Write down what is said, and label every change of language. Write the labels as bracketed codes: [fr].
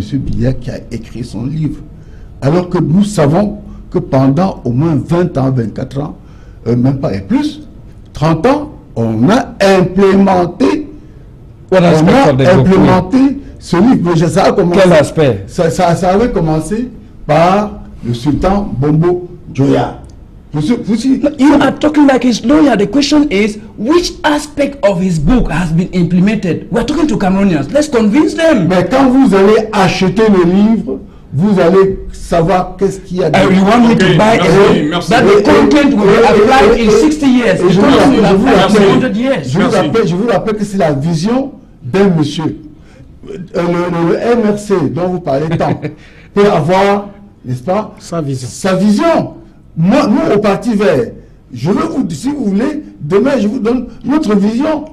[fr] Biya qui a écrit son livre. Alors que nous savons que pendant au moins 20 ans, 24 ans, même pas et plus, 30 ans, on a implémenté. Quel aspect on a implémenté celui que ça a commencé. Quel aspect ça avait commencé par le sultan Bombo Joya. [en] You are talking like his lawyer. The question is, which aspect of his book has been implemented? We are talking to Cameroonians. Let's convince them. [fr] Mais quand vous allez acheter le livre, vous allez savoir qu'est-ce qu'il y a dedans. [en] You want me to buy a book that the content will be applied in 60 years? [fr] Je vous rappelle que c'est la vision d'un monsieur. Le MRC dont vous parlez tant peut avoir, n'est-ce pas, sa vision. Sa vision. Moi, nous, au Parti Vert, je veux vous, si vous voulez, demain, je vous donne notre vision.